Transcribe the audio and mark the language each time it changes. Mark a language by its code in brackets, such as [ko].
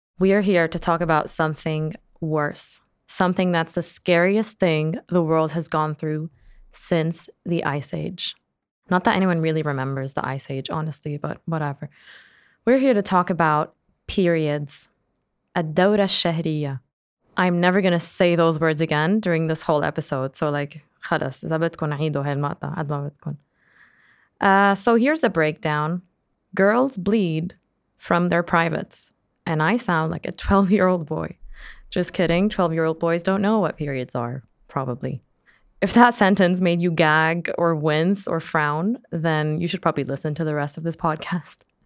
[en] We are here to talk about something worse, something that's the scariest thing the world has gone through since the Ice Age. Not that anyone really remembers the Ice Age, honestly, but whatever. We're here to talk about periods. [ar] الدورة الشهرية. [en] I'm never going to say those words again during this whole episode. So like, [ar] خلاص إذا بدكم عيدوا هالمقطع قد ما بدكم. [en] So here's the breakdown. Girls bleed from their privates. And I sound like a 12-year-old boy. Just kidding. 12-year-old boys don't know what periods are, probably. If that sentence made you gag or wince or frown, then you should probably listen to the rest of this podcast.